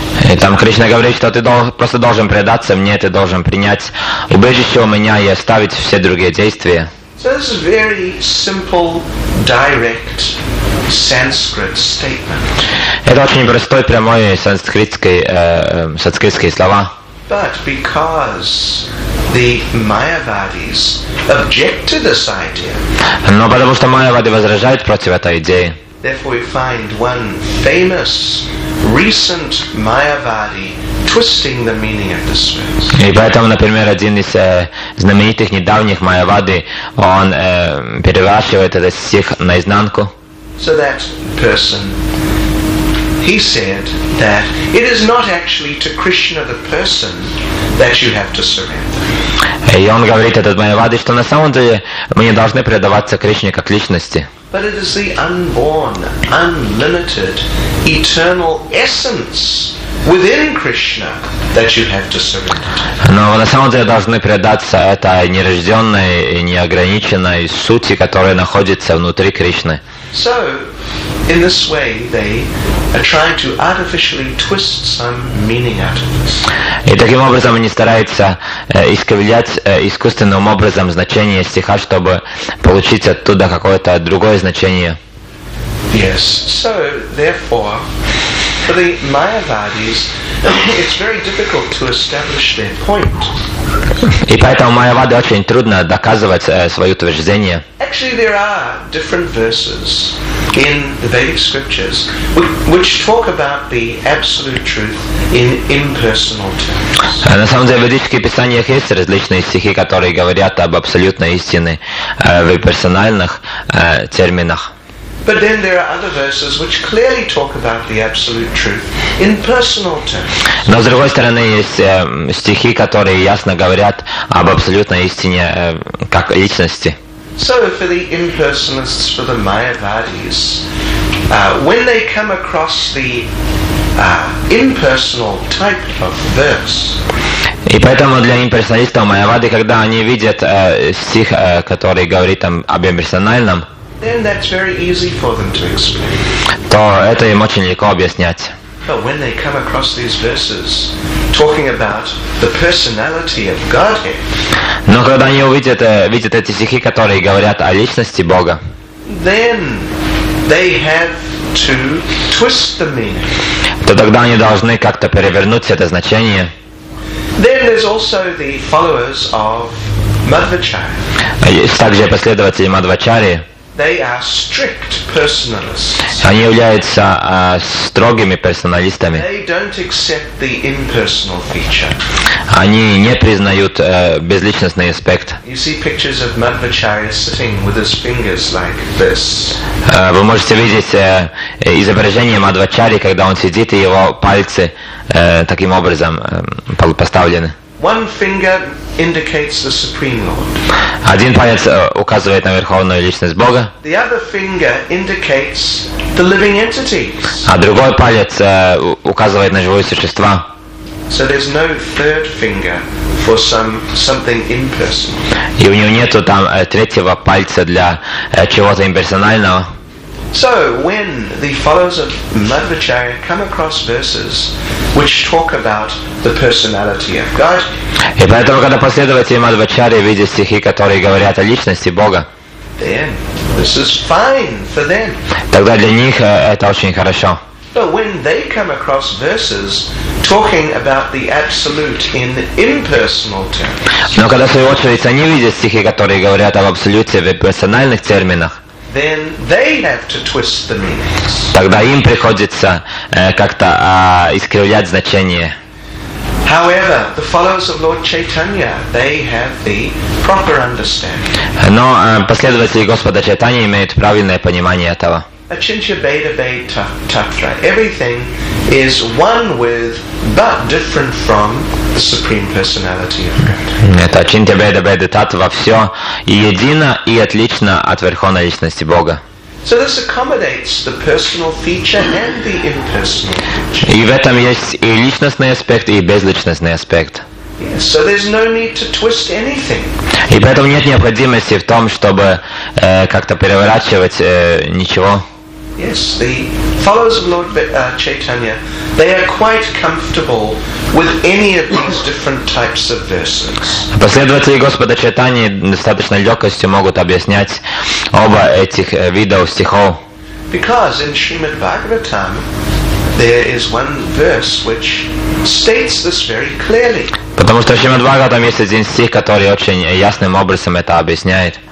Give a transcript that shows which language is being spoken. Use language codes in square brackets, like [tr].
[ru] И там Кришна говорит, что ты просто должен предаться мне, ты должен принять убежище у меня и оставить все другие действия. [en] So this is a very simple, direct Sanskrit statement. [ru] Это очень простой, прямой санскритские слова. [en] But because the Mayavadis object to this idea. [ru] Но потому что Майявады возражают против этой идеи. [en] Therefore, we find one famous recent Mayavadi twisting the meaning of this verse. [ru] И поэтому, например, один из знаменитых недавних Майявады, он переворачивает этот стих наизнанку. [en] So that person, he said that it is not actually to Krishna the person that you have to surrender. [ru] И он говорит, этот Майявади, что на самом деле мы не должны предаваться Кришне как личности. [en] But it is the unborn, unlimited, eternal essence within Krishna that you have to surrender. [ru] Но на самом деле должны предаться этой нерожденной и неограниченной сути, которая находится внутри Кришны. [en] So, in this way, they are trying to artificially twist some meaning out of this. [ru] И таким образом они стараются искривлять искусственным образом значение стиха, чтобы получить оттуда какое-то другое значение. [en] Yes, so therefore, for the Mayavadis, it's very difficult to establish their point. [ru] И поэтому Майявады очень трудно доказывать свое утверждение. [en] Actually, there are different verses in the Vedic scriptures which talk about the absolute truth in impersonal terms. [ru] На самом деле, в ведических писаниях есть различные стихи, которые говорят об абсолютной истине в персональных терминах. [en] But then there are other verses which clearly talk about the absolute truth in personal terms. [ru] Но с другой стороны есть стихи, которые ясно говорят об абсолютной истине как личности. [en] So for the impersonalists, for the Mayavadis, when they come across the impersonal type of verse. [ru] И поэтому для имперсоналистов Майявады, когда они видят стих, который говорит там об имперсональном. [en] Then that's very easy for them to explain. [ru] То это им очень легко объяснять. [en] But when they come across these verses talking about the personality of Godhead. [ru] Но когда они видят эти стихи, которые говорят о личности Бога. [en] Then they have to twist the meaning. [ru] То тогда они должны как-то перевернуть это значение. [en] Then there's also the followers of Madhvacharya. [ru] Есть также последователи Мадхвачарьи. [en] They are strict personalists. [ru] Они являются строгими персоналистами. [en] They don't accept the impersonal feature. [ru] Они не признают безличностный аспект. [en] You see pictures of Madhvacharya sitting with his fingers like this. [ru] Вы можете видеть изображение Мадхвачарьи, когда он сидит, и его пальцы таким образом поставлены. [en] One finger indicates the Supreme Lord. [ru] Один палец указывает на верховную личность Бога. [en] The other finger indicates the living entities. [ru] А другой палец указывает на живые существа. [en] So there's no third finger for something impersonal. [ru] И у него нету там третьего пальца для чего-то имперсонального. [en] So when the followers of Madhvacharya come across verses which talk about the personality of God, [ru] и поэтому когда последователи Мадхвачарьи видят стихи, которые говорят о личности Бога, [en] then this is fine for them. [ru] Тогда для них это очень хорошо. [en] But when they come across verses talking about the absolute in impersonal terms, [ru] но когда в свою очередь они видят стихи, которые говорят об абсолюте в персональных терминах. [en] Then they have to twist the meanings. [ru] Тогда им приходится как-то искривлять значение. [en] However, the followers of Lord Chaitanya, they have the proper understanding. [ru] Но последователи Господа Чайтаньи имеют правильное понимание этого. [sa] Achintya Bheda Bheda Tatra. [en] Everything is one with, but different from, the Supreme Personality of God. [ru] Это Ачинтья Бхеда Бхеда Таттва, все едино и отлично от Верховной Личности Бога. [en] So this accommodates the personal feature and the impersonal feature. [ru] И в этом есть и личностный аспект, и безличностный аспект. [en] Yes, so there's no need to twist anything. [ru] И поэтому нет необходимости в том, чтобы как-то переворачивать ничего. [en] Yes, the followers of Lord Chaitanya, they are quite comfortable with any of these different types of verses. [ru] Последователи Господа Чайтаньи достаточно легкостью могут объяснять оба этих видов стихов. [en] Because in Srimad Bhagavatam, there is one verse which states this very clearly. [ru] Потому что в Шримад Бхагаватам есть один стих, который очень ясным образом это объясняет.